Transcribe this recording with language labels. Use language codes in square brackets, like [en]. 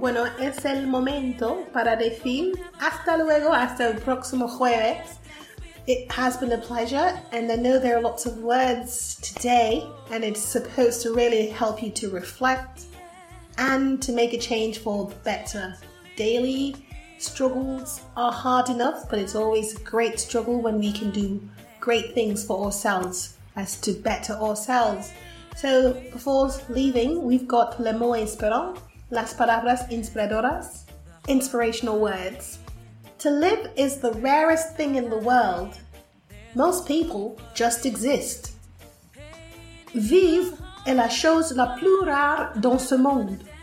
[es] Bueno, es el momento para decir hasta luego, hasta el próximo jueves. [en] It has been a pleasure, and I know there are lots of words today, and it's supposed to really help you to reflect and to make a change for the better. Daily struggles are hard enough, but it's always a great struggle when we can do great things for ourselves, as to better ourselves. So, before leaving, we've got [fr] Le Mot Inspirant, [es] Las Palabras Inspiradoras, [en] Inspirational Words. To live is the rarest thing in the world. Most people just exist. [fr] Vivre est la chose la plus rare dans ce monde.